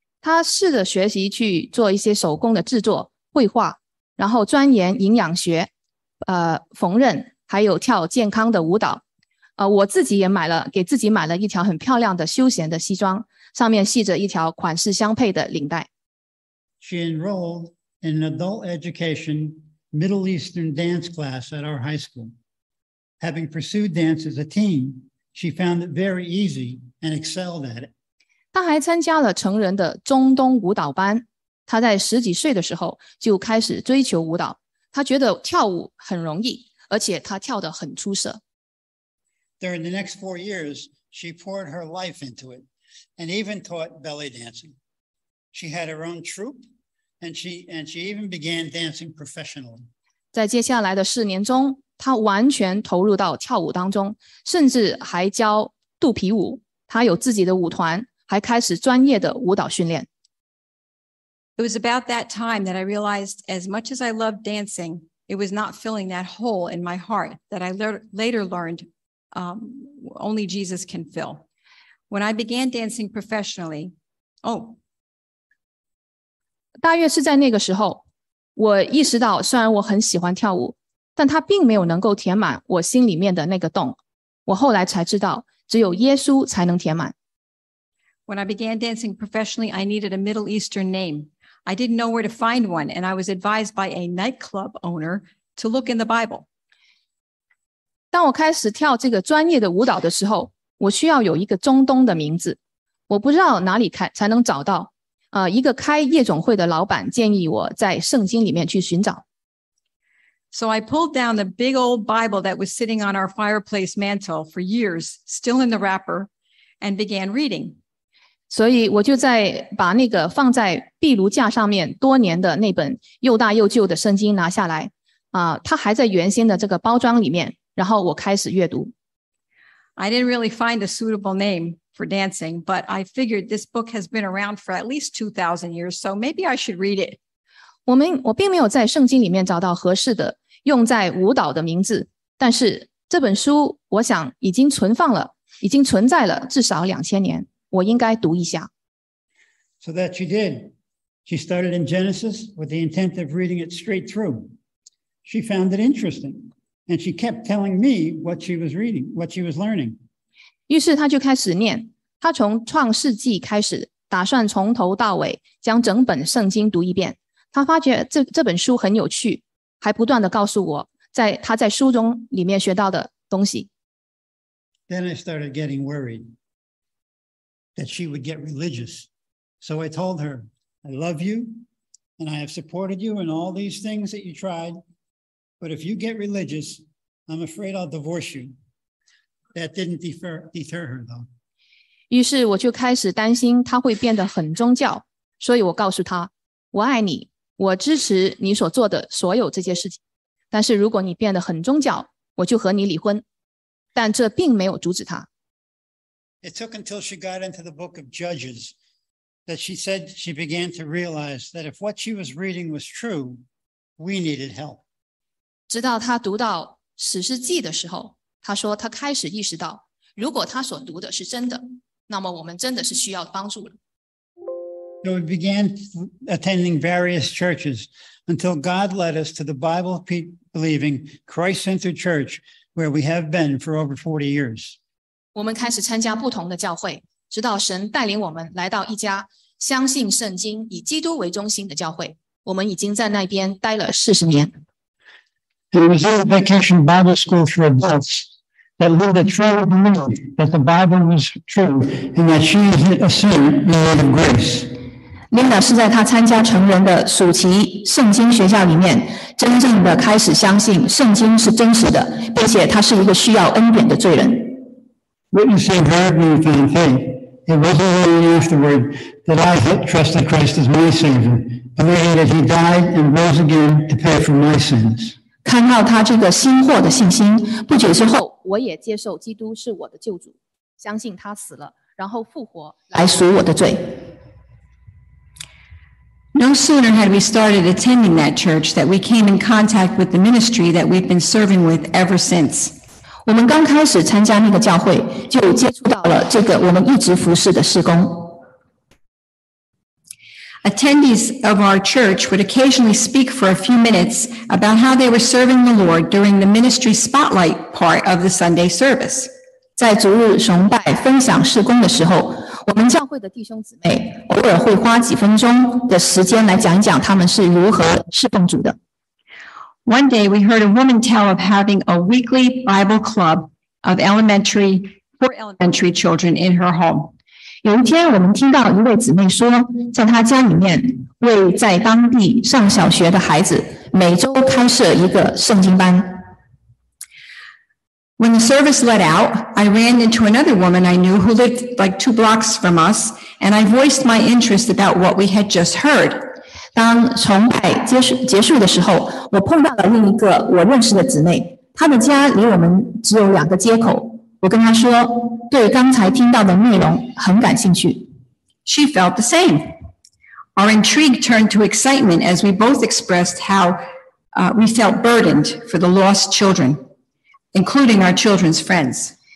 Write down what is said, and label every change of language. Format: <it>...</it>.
<zh>他试着学习去做一些手工的制作、绘画，然后钻研营养学、缝纫，还有跳健康的舞蹈。我自己也给自己买了一条很漂亮的休闲的西装，上面系着一条款式相配的领带。</zh> <en>She enrolled in adult education. Middle Eastern dance class at our high school. Having pursued dance as a teen, she found it very easy and excelled at it.</en> <zh>她还参加了成人的中东舞蹈班。她在十几岁的时候就开始追求舞蹈。她觉得跳舞很容易，而且她跳得很出色。</zh> <en>During the next 4 years, she poured her life into it and even taught belly dancing. She had her own troupe. And she even began dancing professionally.</en> <zh>在接下来的四年中，她完全投入到跳舞当中，甚至还教肚皮舞。她有自己的舞团，还开始专业的舞蹈训练。</zh> <en>It was about that time that I realized, as much as I loved dancing, it was not filling that hole in my heart that I later learned, only Jesus can fill. When I began dancing professionally, oh.</en> <zh>大约是在那个时候，我意识到虽然我很喜欢跳舞，但它并没有能够填满我心里面的那个洞。我后来才知道，只有耶稣才能填满。</zh> <en>When I began dancing professionally, I needed a Middle Eastern name. I didn't know where to find one, and I was advised by a nightclub owner to look in the Bible.</en> <zh>当我开始跳这个专业的舞蹈的时候，我需要有一个中东的名字。我不知道哪里才能找到。一个开夜总会的老板建议我在圣经里面去寻找。</zh> <en>So I pulled down the big old Bible that was sitting on our fireplace mantle for years, still in the wrapper, and began reading.</en> <zh>所以我就在把那个放在壁炉架上面多年的那本又大又旧的圣经拿下来。它还在原先的这个包装里面，然后我开始阅读。</zh> <en>I didn't really find a suitable name for dancing, but I figured this book has been around for at least 2,000 years, so maybe I should read it.</en> <zh>我并没有在圣经里面找到合适的用在舞蹈的名字，但是这本书我想已经存放了，已经存在了至少2000年，我应该读一下。</zh> <en>So that she did. She started in Genesis with the intent of reading it straight through. She found it interesting. And she kept telling me what she was reading, what she was learning.</en> <zh>于是她就开始念，她从创世纪开始，打算从头到尾将整本圣经读一遍。她发觉 这本书很有趣，还不断地告诉我在她在书中里面学到的东西。</zh> <en>Then I started getting worried that she would get religious. So I told her, I love you, and I have supported you in all these things that you tried. But if you get religious, I'm afraid I'll divorce you. That didn't deter her, though.</en> <zh>于是我就开始担心她会变得很宗教，所以我告诉她，我爱你，我支持你所做的所有这些事情，但是如果你变得很宗教，我就和你离婚。但这并没有阻止她。</zh> <en>It took until she got into the book of Judges that she said she began to realize that if what she was reading was true, we needed help.</en> <zh>直到他读到《史诗记》的时候，他说他开始意识到，如果他所读的是真的，那么我们真的是需要帮助了。</zh> <en>So we began attending various churches until God led us to the Bible believing Christ-centered church where we have been for over 40 years.</en> <zh>我们开始参加不同的教会，直到神带领我们来到一家相信圣经、以基督为中心的教会。我们已经在那边待了40年。</zh> <en>It was a vacation Bible school for adults that Linda truly believed that the Bible was true and that she is a sinner in need of grace.</en> <zh>Linda 是在她参加成人的暑期圣经学校里面真正的开始相信圣经是真实的，并且她是一个需要恩典的罪人。</zh> <en>Witnessing her newfound faith, it wasn't long afterward that I trusted Christ as my Savior, believing that He died and rose again to pay for my sins.</en> <zh>看到他这个新获的信心，不久之后，我也接受基督是我的救主，相信他死了，然后复活来赎我的罪。</zh> <en>No sooner had we started attending that church that we came in contact with the ministry that we've been serving with ever since.</en> <zh>我们刚开始参加那个教会，就接触到了这个我们一直服侍的事工。</zh> <en>Attendees of our church would occasionally speak for a few minutes about how they were serving the Lord during the ministry spotlight part of the Sunday service.</en> <zh>在主日崇拜分享事工的时候，我们教会的弟兄姊妹偶尔会花几分钟的时间来讲一讲他们是如何侍奉主的。</zh> <en>One day we heard a woman tell of having a weekly Bible club of elementary children in her home.</en> <zh>有一天我们听到一位姊妹说，在她家里面为在当地上小学的孩子每周开设一个圣经班。</zh> <en>When the service let out, I ran into another woman I knew who lived like two blocks from us, and I voiced my interest about what we had just heard.</en> <zh>当崇拜结束的时候，我碰到了另一个我认识的姊妹，她的家离我们只有两个街口。我跟她说对刚才听到的内容很感兴趣。</zh> <en>She felt the same. Our intrigue turned to excitement as we both expressed how we felt burdened for the lost children, including our children's friends.</en>